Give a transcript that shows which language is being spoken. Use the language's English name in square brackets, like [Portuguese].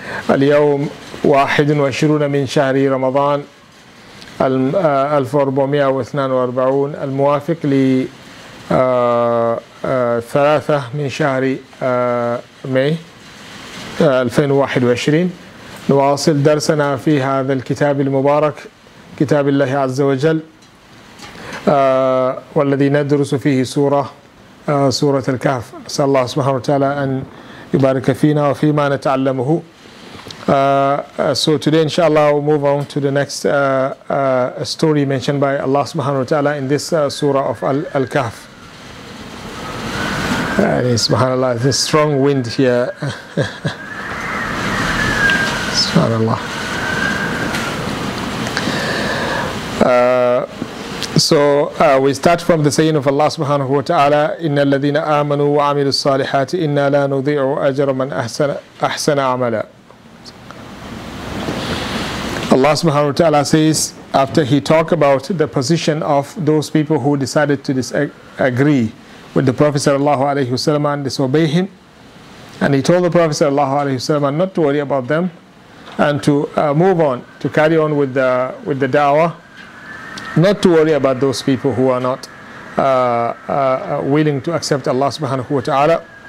[Arabic] اليوم 21 من شهر رمضان 1442 الموافق ل 3 من شهر مايو 2021 نواصل درسنا في هذا الكتاب المبارك كتاب الله عز وجل والذي ندرس فيه سورة الكهف. نسأل الله سبحانه وتعالى أن يبارك فينا وفيما نتعلمه. [English] So today inshallah we'll move on to the next story mentioned by Allah subhanahu wa ta'ala in this surah of Al-Kahf. Subhanallah, there's a strong wind here. Subhanallah. We start from the saying of Allah subhanahu wa ta'ala, [Arabic] إِنَّ الَّذِينَ آمَنُوا وَعَمِلُوا الصَّالِحَاتِ إِنَّا لَا نُضِيعُ أَجْرَ مَنْ أَحْسَنَ عَمَلًا. [English] Allah subhanahu wa ta'ala says, after he talked about the position of those people who decided to disagree with the Prophet sallallahu alayhi wa sallam and disobey him, and he told the Prophet sallallahu alayhi wa sallam not to worry about them and to move on, to carry on with the da'wah, not to worry about those people who are not willing to accept Allah subhanahu wa ta'ala.